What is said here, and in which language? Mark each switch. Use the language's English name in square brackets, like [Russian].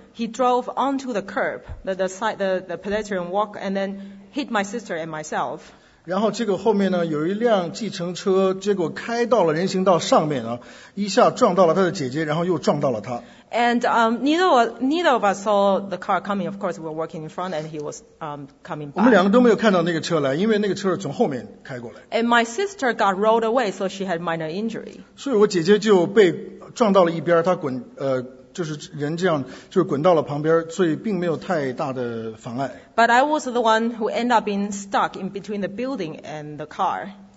[English] He drove onto the curb, the pedestrian walk, and then hit my sister and myself. [Chinese] 然后这个后面呢，有一辆计程车，结果开到了人行道上面啊，一下撞到了他的姐姐，然后又撞到了他。 [English] And neither of us saw the car coming. Of course, we were walking in front, and he was coming back. [Chinese] 我们两个都没有看到那个车来，因为那个车是从后面开过来。 [English] And my sister got rolled away, so she had minor injury. [Chinese] 所以我姐姐就被撞到了一边，她滚。就是人这样，就是滚到了旁边，所以并没有太大的妨碍。 [English] But I was the one who ended up being stuck in between the building and the car.